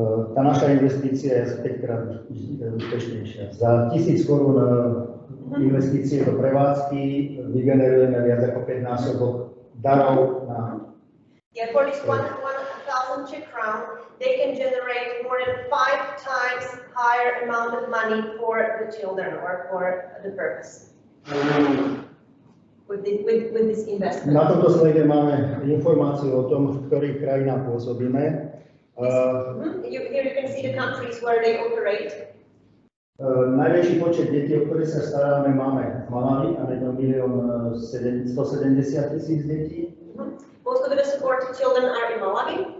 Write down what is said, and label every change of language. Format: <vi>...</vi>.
<sk>Tá naša investícia je 5-krát úspešnejšia. Za 1000 korún investície do prevádzky vygenerujeme viac ako 5-násobok darov na.</sk> <en>Yeah, for this 1000 Czech crown, they can generate more than 5 times higher amount of money for the children or for the purpose. With this investment.</en> <sk>Na tomto slide máme informáciu o tom, v ktorých krajinách pôsobíme.</sk> <en>Here you can see the countries where they operate.</en> <sk>Najväčší počet detí, o ktoré sa staráme, máme v Malawi a 1 170 000 detí.</sk> <en>Most of the supported children are in Malawi.</en>